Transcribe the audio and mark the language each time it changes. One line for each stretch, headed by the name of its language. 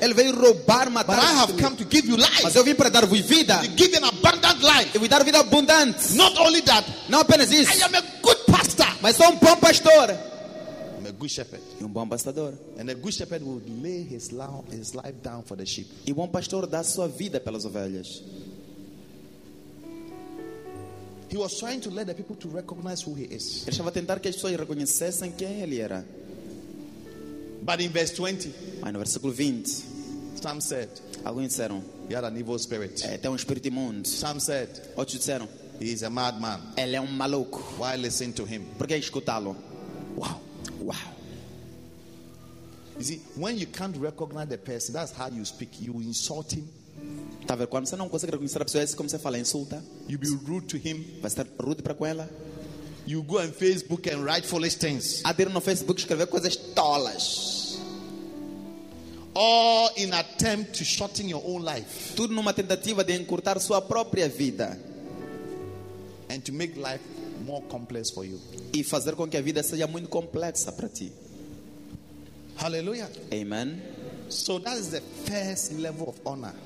Portuguese: Ele veio roubar, matar.
English: But I have come to give you life.
Portuguese: Mas eu vim para dar-vos vida.
English: To give an abundant life.
Portuguese: E vos dar vida abundante.
English: Not only that.
Portuguese: Não apenas isso.
English: I am a good pastor.
Portuguese: Mas sou bom pastor.
English: I'm a good shepherd.
Portuguese: E bom pastor.
English: And a good shepherd would lay his life down for the sheep.
Portuguese: E bom pastor dá sua vida pelas ovelhas.
English: He was trying to let the people to recognize who he is.
Portuguese: Ele estava a tentar que as pessoas reconhecessem quem ele era.
English: But in verse 20,
Portuguese: mas no versículo 20,
English: some said,
Portuguese: alguns disseram,
English: he had an evil spirit.
Portuguese: É, tem espírito imundo.
English: Some said,
Portuguese: outros disseram,
English: he is a madman.
Portuguese: Ele é maluco.
English: Why listen to him?
Portuguese: Por que escutá-lo? Wow. Wow.
English: You see, when you can't recognize the person, that's how you speak. You insult him.
Portuguese: Tá vendo? Quando você não consegue reconhecer a pessoa, é como você fala, insulta.
English: You be rude to him.
Portuguese: Vai estar rude para com ela.
English: You go on Facebook and write foolish things.
Portuguese: Adere no Facebook escrever coisas tolas.
English: All in attempt to shorten your own life.
Portuguese: Tudo numa tentativa de encurtar sua própria vida.
English: And to make life more complex for you.
Portuguese: E fazer com que a vida seja muito complexa para ti. Hallelujah. Amen.
English: So that is the first level of honor.